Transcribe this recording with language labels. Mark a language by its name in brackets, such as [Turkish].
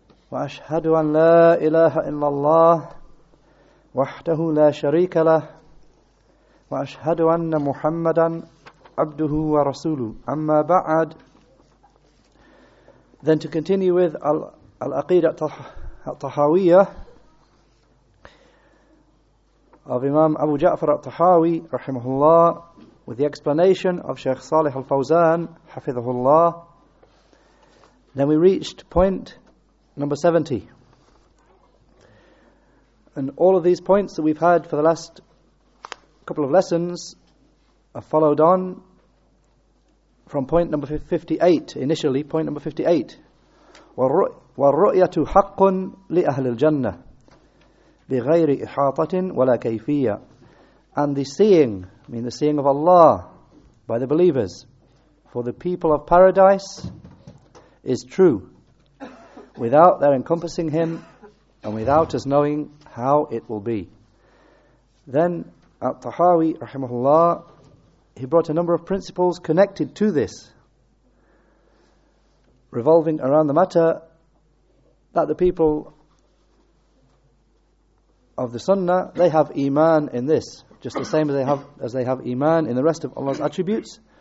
[Arabic] وأشهد أن لا إله إلا الله وحده لا شريك له وأشهد أن محمدا عبده ورسوله أما بعد [English] Then to continue with Al-Aqidah Al-Tahawiyyah of Imam Abu Ja'far Al-Tahawi rahimahullah, with the explanation of Sheikh Salih Al-Fawzan hafidhahullah, then we reached point number 70. And all of these points that we've had for the last couple of lessons are followed on from point number 58, initially point number 58. [Arabic] والرؤية حق لأهل الجنة بغير إحاطة ولا كيفية. [English] And the seeing, I mean the seeing of Allah by the believers for the people of paradise, is true without their encompassing him and without us knowing how it will be. Then Al-Tahawi rahimahullah, he brought a number of principles connected to this, revolving around the matter that the people of the Sunnah, they have iman in this, just the same as they have iman in the rest of Allah's attributes.